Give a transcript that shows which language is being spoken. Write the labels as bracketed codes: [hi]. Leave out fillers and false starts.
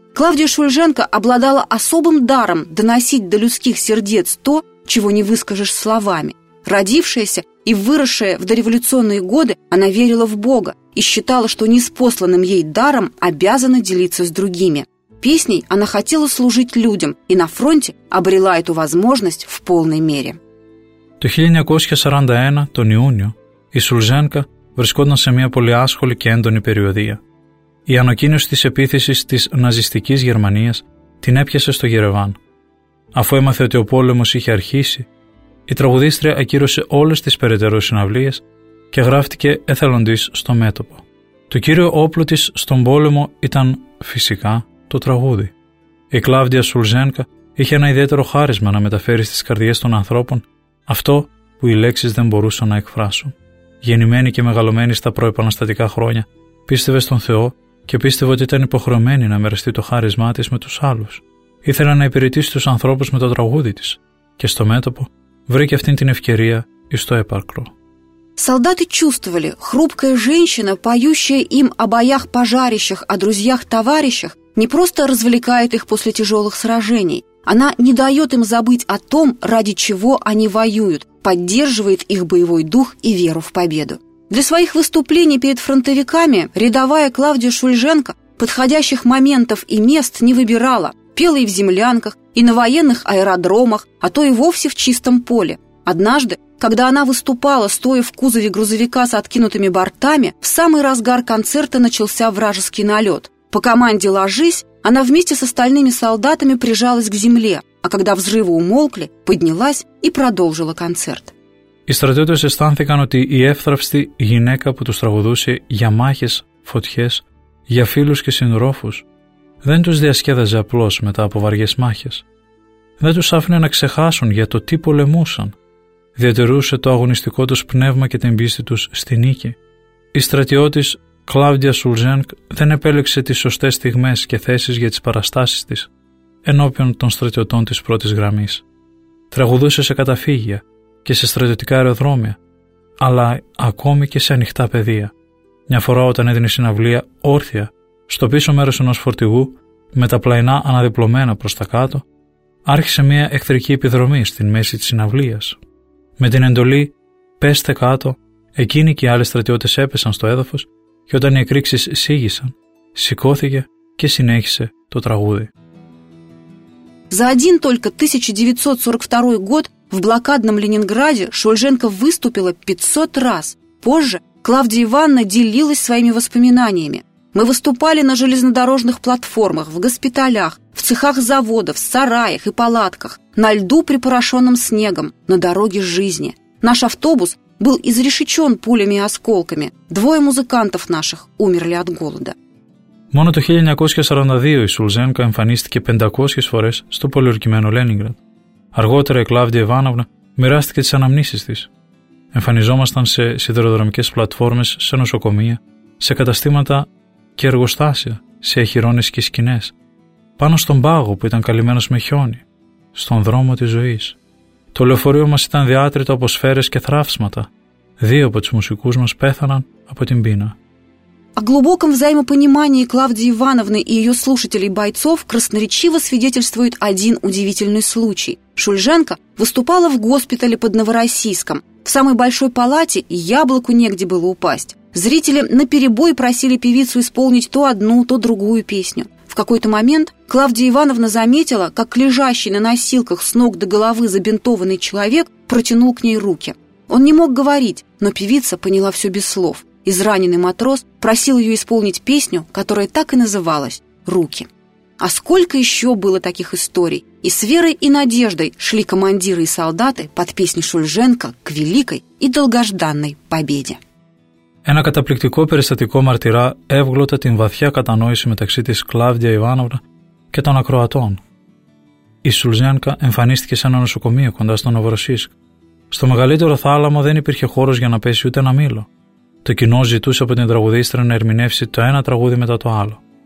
[ru] Клавдия Шульженко обладала особым даром доносить до людских сердец то, чего не выскажешь словами. Родившаяся и выросшая в дореволюционные годы, она верила в Бога и считала, что неспосланным ей даром обязана делиться с другими. Песней она хотела служить людям и на фронте обрела эту возможность в полной мере. [el] Το 1941, τον Ιούνιο, η Σουλζένκα βρισκόταν σε μια πολύ άσχολη και έντονη περιοδία. Η ανακοίνωση της επίθεσης της ναζιστικής Γερμανίας την έπιασε στο Γερεβάν. Αφού έμαθε ότι ο πόλεμος είχε αρχίσει, η τραγουδίστρια ακύρωσε όλες τις περαιτέρω συναυλίες και γράφτηκε εθελοντής στο μέτωπο. Το κύριο όπλο της στον πόλεμο ήταν φυσικά το τραγούδι. Η Κλάβδια Σουλζένκα είχε ένα ιδιαίτερο χάρισμα να μεταφέρει στις καρδιές των ανθρώπων αυτό που οι λέξεις δεν μπορούσαν να εκφράσουν. Γεννημένη και μεγαλωμένη στα προεπαναστατικά χρόνια, πίστευε στον Θεό και πίστευε ότι ήταν υποχρεωμένη να μοιραστεί το χάρισμά της με τους άλλους. Ήθελε να υπηρετήσει τους ανθρώπους με το τραγούδι της και στο μέτωπο βρήκε αυτήν την ευκαιρία εις το έπαρκρο. [ru] Солдаты чувствовали, хрупкая женщина, поющая им о боях пожарищах, о друзьях-товарищах, не просто развлекает их после тяжелых сражений. Она не дает им забыть о том, ради чего они воюют, поддерживает их боевой дух и веру в победу. Для своих выступлений перед фронтовиками рядовая Клавдия Шульженко подходящих моментов и мест не выбирала, пела и в землянках, и на военных аэродромах, а то и вовсе в чистом поле. Однажды, когда она выступала, стоя в кузове грузовика с откинутыми бортами, в самый разгар концерта начался вражеский налет. По команде «Ложись» она вместе с остальными солдатами прижалась к земле, а когда взрывы умолкли, поднялась и продолжила концерт. [el] Οι στρατιώτες αισθάνθηκαν ότι η εύθραυστη γυναίκα που τους τραγουδούσε για μάχες, φωτιές, για φίλους και συντρόφους, δεν τους διασκέδαζε απλώς μετά από βαριές μάχες. Δεν τους άφηνε να ξεχάσουν για το τι πολεμούσαν. Διατηρούσε το αγωνιστικό τους πνεύμα και την πίστη τους στη νίκη. Οι στρατιώτες Κλάουντια Σουλτζένκ δεν επέλεξε τις σωστές στιγμές και θέσεις για τις παραστάσεις της ενώπιον των στρατιωτών της πρώτης γραμμής. Τραγουδούσε σε καταφύγια και σε στρατιωτικά αεροδρόμια, αλλά ακόμη και σε ανοιχτά πεδία. Μια φορά όταν έδινε συναυλία όρθια στο πίσω μέρος ενός φορτηγού με τα πλαϊνά αναδιπλωμένα προς τα κάτω, άρχισε μια εχθρική επιδρομή στην μέση της συναυλίας. Με την εντολή «πέστε κάτω», εκείνοι και οι άλλοι στρατιώτες έπεσαν στο έδαφος και όταν οι εκρήξεις σήγησαν, σηκώθηκε και συνέχισε το τραγούδι. [ru] За один только 1942 год в блокадном Ленинграде Шульженко выступила 500 раз. Позже Клавдия Ивановна делилась своими воспоминаниями. «Мы выступали на железнодорожных платформах, в госпиталях, в цехах заводов, в сараях и палатках, на льду, припорошенном снегом, на дороге жизни. Наш автобус был изрешечен пулями и осколками. Двое музыкантов наших умерли от голода». [el] Μόνο το 1942 η Σουλτζένκα εμφανίστηκε 500 φορές στο πολιορκημένο Λένιγκραντ. Αργότερα η Κλάβδια Ιβάνοβνα μοιράστηκε τις αναμνήσεις της. Εμφανιζόμασταν σε σιδηροδρομικές πλατφόρμες, σε νοσοκομεία, σε καταστήματα και εργοστάσια, σε αιχειρώνες και σκηνές, πάνω στον πάγο που ήταν καλυμμένος με χιόνι, στον δρόμο της ζωής. Το λεωφορείο μας ήταν διάτρητο από σφαίρες και θράψματα. Δύο από τους μουσικούς μας πέθαναν από την πείνα. [ru] О глубоком взаимопонимании Клавдии Ивановны и ее слушателей-бойцов красноречиво свидетельствует один удивительный случай. Шульженко выступала в госпитале под Новороссийском. В самой большой палате яблоку негде было упасть. Зрители наперебой просили певицу исполнить то одну, то другую песню. В какой-то момент Клавдия Ивановна заметила, как лежащий на носилках с ног до головы забинтованный человек протянул к ней руки. Он не мог говорить, но певица поняла все без слов. Израненный матрос просил ее исполнить песню, которая так и называлась «Руки». А сколько еще было таких историй? И с верой и надеждой шли командиры и солдаты под песни Шульженко к великой и долгожданной победе. [el] Ένα καταπληκτικό περιστατικό μαρτυρά εύγλωτε την βαθιά κατανόηση μεταξύ της Κλάβδια Ιβάνοβνα και των ακροατών. Η Σουλτζένκα εμφανίστηκε σε ένα νοσοκομείο κοντά στο Νοβοροσίσκ. Στο μεγαλύτερο θάλαμο δεν υπήρχε χώρος για να πέσει ούτε ένα μήλο. Το κοινό ζητούσε από την τραγουδίστρα να ερμηνεύσει το ένα τραγούδι μετά το άλλο.